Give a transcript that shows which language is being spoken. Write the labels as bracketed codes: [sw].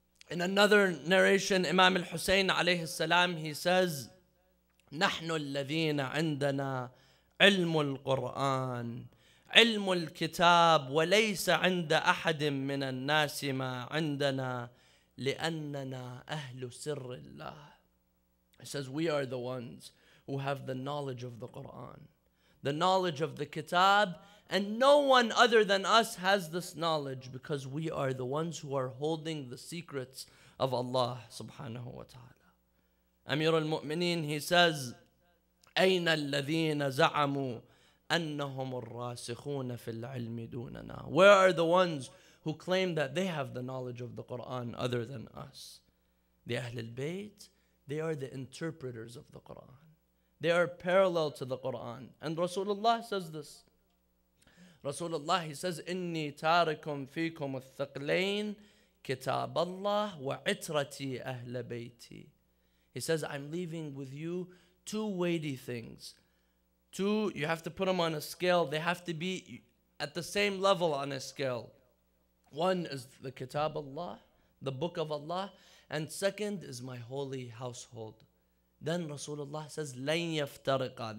[en] In another narration, Imam al-Husayn alayhi salam, he says, [ar] نَحْنُ الَّذِينَ عِنْدَنَا عِلْمُ الْقُرْآنِ عِلْمُ الْكِتَابِ وَلَيْسَ عِنْدَ أَحَدٍ مِّنَ النَّاسِ مَا عِنْدَنَا لِأَنَّنَا أَهْلُ سِرِّ اللَّهِ. [en] He says, we are the ones who have the knowledge of the Qur'an, the knowledge of the Kitab, and no one other than us has this knowledge because we are the ones who are holding the secrets of Allah subhanahu wa ta'ala. [ar] Amir al-Mu'mineen, [en] he says, [ar] أَيْنَ الَّذِينَ زَعَمُوا أَنَّهُمُ الرَّاسِخُونَ فِي الْعِلْمِ دُونَنَا. [en] Where are the ones who claim that they have the knowledge of the Qur'an other than us? The Ahl al-Bayt, they are the interpreters of the Qur'an. They are parallel to the Qur'an. And Rasulullah says this. [ar] Rasulullah, [en] he says, [ar] إِنِّي تَارِكُمْ فِيكُمُ الثَّقْلَيْنِ كِتَابَ اللَّهِ وَعِتْرَتِي أَهْلَ بَيْتِي. [en] He says, I'm leaving with you two weighty things. Two, you have to put them on a scale. They have to be at the same level on a scale. One is the Kitab Allah, the Book of Allah. And second is my holy household. Then Rasulullah says, [ar] لَنْ يَفْتَرِقَ.